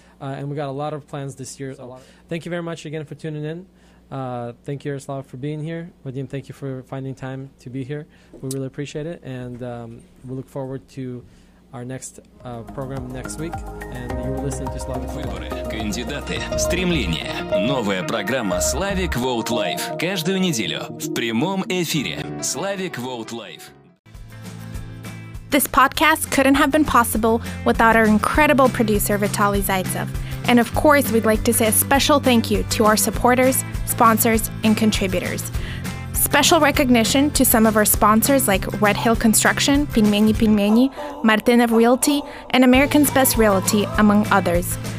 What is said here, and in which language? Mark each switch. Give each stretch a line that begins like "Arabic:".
English: And we got a lot of plans this year. Thank you very much again for tuning in. Thank you, Yaroslav, for being here. Vadim, thank you for finding time to be here. We really appreciate it. And we look forward to our next program next week. And you will listen to Slavic Vote.
Russian: Выборы, кандидаты, стремления. Новая программа Slavic Vote Live. Каждую неделю в прямом эфире.
English: Slavic Vote Live. This podcast couldn't have been possible without our incredible producer, Vitaly Zaitsev. And of course, we'd like to say a special thank you to our supporters, sponsors, and contributors. Special recognition to some of our sponsors like Red Hill Construction, Pinmeni Pinmeni, Martinov Realty, and America's Best Realty, among others.